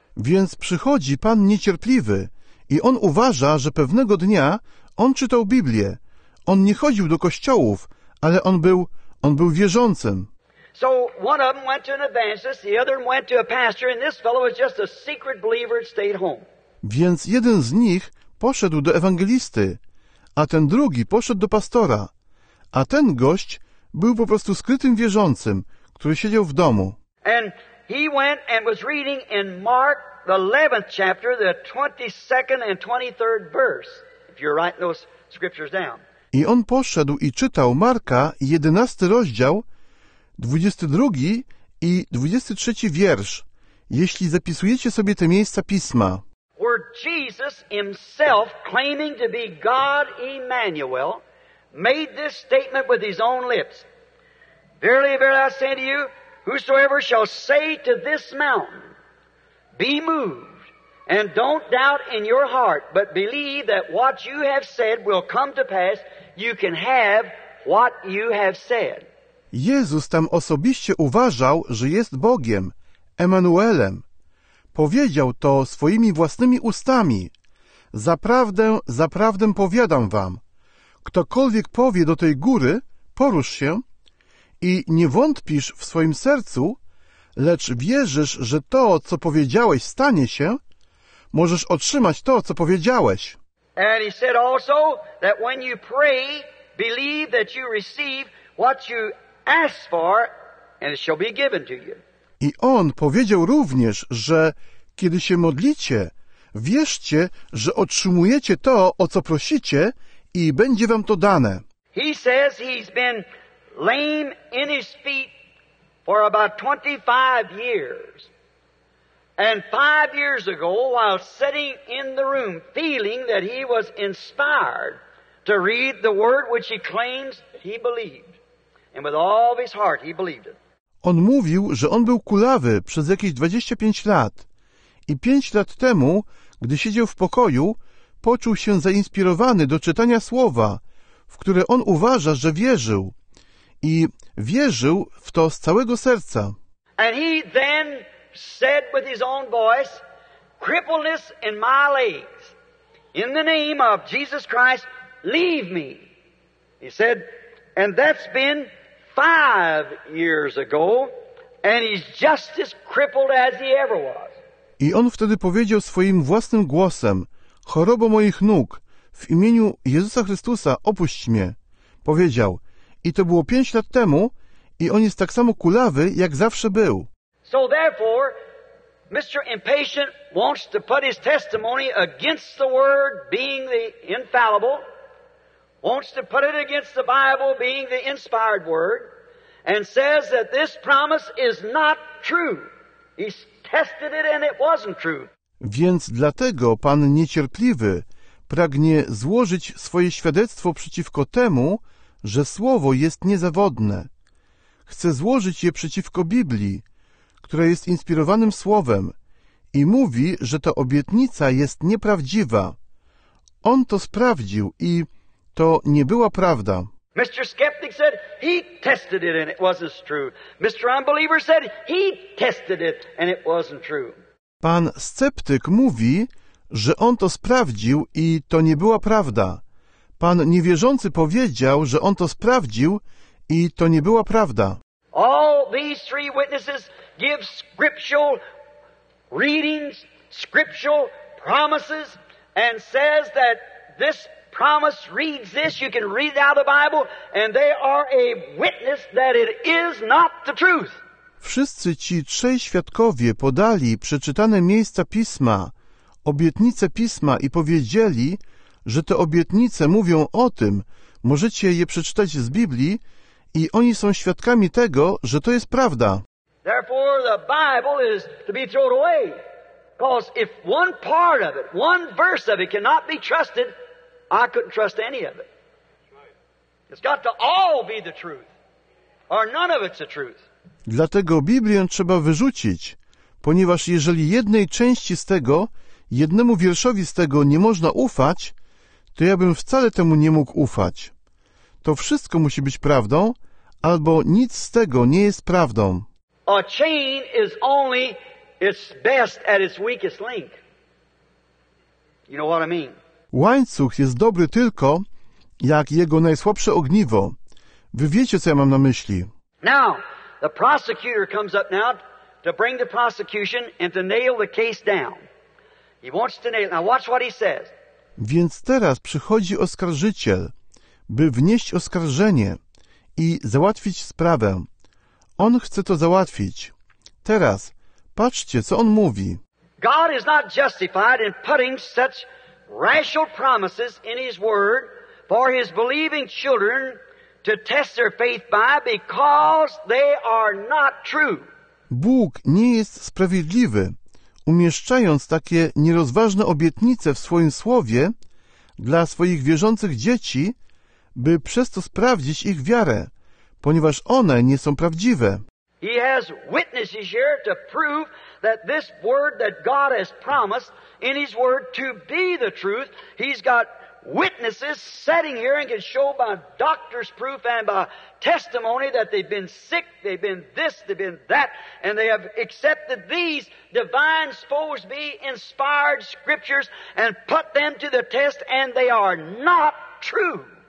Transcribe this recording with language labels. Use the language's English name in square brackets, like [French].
[Polish] Więc przychodzi pan niecierpliwy i on uważa, że pewnego dnia on czytał Biblię. On nie chodził do kościołów, ale on był wierzącym. [English] So one of them went to an evangelist, the other went to a pastor, and this fellow was just a secret believer and stayed home. [Polish] Więc jeden z nich poszedł do ewangelisty, a ten drugi poszedł do pastora. A ten gość był po prostu skrytym wierzącym, który siedział w domu. [English] And he went and was reading in Mark, the 11th chapter, the 22nd and 23rd verse, if you're writing those scriptures down. [Polish] I on poszedł i czytał Marka, 11 rozdział, 22 i 23 wiersz, jeśli zapisujecie sobie te miejsca Pisma. [English] Where Jesus himself, claiming to be God Emmanuel, made this statement with his own lips. Verily, verily, I say to you, whosoever shall say to this mountain, be moved, and don't doubt in your heart, but believe that what you have said will come to pass, you can have what you have said. [Polish] Jezus tam osobiście uważał, że jest Bogiem, Emanuelem. Powiedział to swoimi własnymi ustami. Zaprawdę, zaprawdę powiadam wam, ktokolwiek powie do tej góry, porusz się i nie wątpisz w swoim sercu, lecz wierzysz, że to, co powiedziałeś, stanie się, możesz otrzymać to, co powiedziałeś. [English] And he said also that when you pray, believe that you receive what you ask for and it shall be given to you. [Polish] I on powiedział również, że kiedy się modlicie, wierzcie, że otrzymujecie to, o co prosicie i będzie wam to dane. [English] He says he's been lame in his feet for about 25 years. And 5 years ago, while sitting in the room, feeling that he was inspired to read the word which he claims he believed. And with all of his heart, he believed it. [Polish] On mówił, że on był kulawy przez jakieś 25 lat. I 5 lat temu, gdy siedział w pokoju, poczuł się zainspirowany do czytania słowa, w które on uważa, że wierzył. I wierzył w to z całego serca. [English] And he then said with his own voice, crippleness in my legs, in the name of Jesus Christ, leave me. He said, and that's been 5 years ago, and he's just as crippled as he ever was. [Polish] I on wtedy powiedział swoim własnym głosem, choroba moich nóg, w imieniu Jezusa Chrystusa, opuść mnie. Powiedział, i to było 5 lat temu, i on jest tak samo kulawy, jak zawsze był. [English] So therefore, Mr. Impatient wants to put his testimony against the Word being the infallible, wants to put it against the Bible being the inspired Word, and says that this promise is not true. He's tested it and it wasn't true. [Polish] Więc dlatego Pan Niecierpliwy pragnie złożyć swoje świadectwo przeciwko temu, że Słowo jest niezawodne. Chce złożyć je przeciwko Biblii, która jest inspirowanym słowem i mówi, że ta obietnica jest nieprawdziwa. On to sprawdził i to nie była prawda. [English] Mr. Skeptic said he tested it and it wasn't true. Mr. Unbeliever said he tested it and it wasn't true. [Polish] Pan sceptyk mówi, że on to sprawdził i to nie była prawda. Pan niewierzący powiedział, że on to sprawdził i to nie była prawda. [English] All these three witnesses give scriptural readings, scriptural promises, and says that this promise reads this. You can read out of the Bible, and they are a witness that it is not the truth. [Polish] Wszyscy ci trzej świadkowie podali przeczytane miejsca Pisma, obietnice Pisma i powiedzieli, że te obietnice mówią o tym, możecie je przeczytać z Biblii, i oni są świadkami tego, że to jest prawda. [English] Therefore the Bible is to be thrown away. Because if one part of it, one verse of it cannot be trusted, I couldn't trust any of it. It's got to all be the truth. Or none of it's the truth. [Polish] Dlatego Biblię trzeba wyrzucić, ponieważ jeżeli jednej części z tego, jednemu wierszowi z tego nie można ufać, to ja bym wcale temu nie mógł ufać. To wszystko musi być prawdą, albo nic z tego nie jest prawdą. [English] A chain is only its best at its weakest link. You know what I mean? [Polish] Łańcuch jest dobry tylko jak jego najsłabsze ogniwo. Wy wiecie, co ja mam na myśli. [English] Now, the prosecutor comes up now to bring the prosecution and to nail the case down. He wants to nail it. Now watch what he says. [Polish] Więc teraz przychodzi oskarżyciel, by wnieść oskarżenie i załatwić sprawę. On chce to załatwić. Teraz patrzcie, co on mówi. [English] God is not justified in putting such rational promises in his word for his believing children to test their faith by because they are not true. [Polish] Bóg nie jest sprawiedliwy, umieszczając takie nierozważne obietnice w swoim słowie dla swoich wierzących dzieci, by przez to sprawdzić ich wiarę, ponieważ one nie są prawdziwe. [English] He has witnesses here to prove that this word that God has promised in his word to be the truth. He's got witnesses sitting here and can show by doctor's proof and by testimony that they've been sick, they've been this, they've been that, and they have accepted these divine, supposed to be inspired scriptures and put them to the test, and they are not true.